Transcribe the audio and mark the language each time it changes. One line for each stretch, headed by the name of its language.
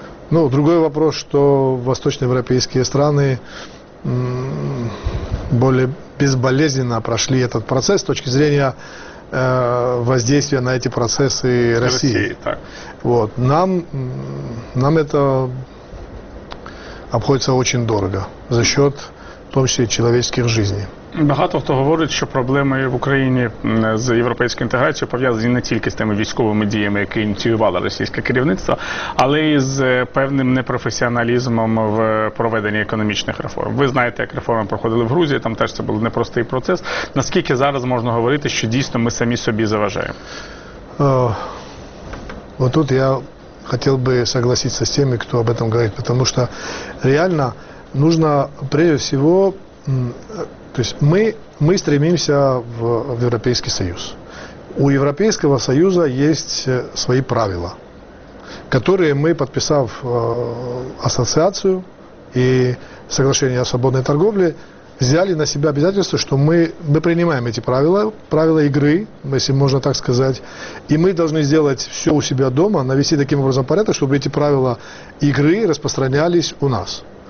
Russian: Ну, другой вопрос, что восточноевропейские страны более безболезненно прошли этот процесс с точки зрения воздействия на эти процессы России. Вот. Нам это обходиться очень дорого, за счет, в том числе, человеческих жизней.
Ukrainian: Багато хто говорить, що проблеми в Україні з європейською інтеграцією пов'язані не тільки з тими військовими діями, які ініціювало російське керівництво, але й з певним непрофесіоналізмом в проведенні економічних реформ. Ви знаєте, як реформи проходили в Грузії, там теж це був непростий процес. Наскільки зараз можна говорити, що дійсно ми самі собі заважаємо?
Russian: Отут я хотел бы согласиться с теми, кто об этом говорит, потому что реально нужно прежде всего, то есть мы стремимся в Европейский Союз. У Европейского Союза есть свои правила, которые мы, подписав ассоциацию и соглашение о свободной торговле, взяли на себя обязательство, что мы принимаем эти правила игры, если можно так сказать, и мы должны сделать все у себя дома, навести таким образом порядок, чтобы эти правила игры распространялись у нас.